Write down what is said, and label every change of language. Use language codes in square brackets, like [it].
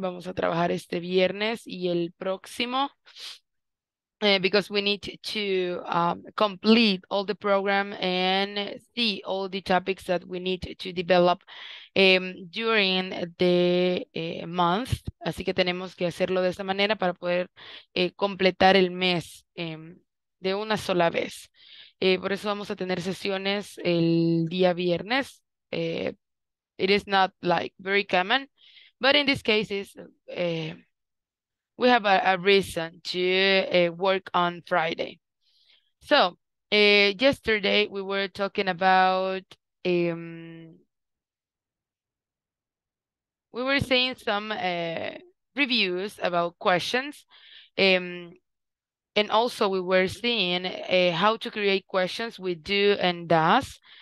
[es] Vamos a trabajar este viernes y el próximo. [en] Because we need to complete all the program and see all the topics that we need to develop during the month. [es] Así que tenemos que hacerlo de esta manera para poder completar el mes de una sola vez. Por eso vamos a tener sesiones el día viernes. [en] It is not like very common, but in this case, we have a reason to work on Friday. So yesterday we were talking about, we were seeing some reviews about questions, and also we were seeing how to create questions with do and does.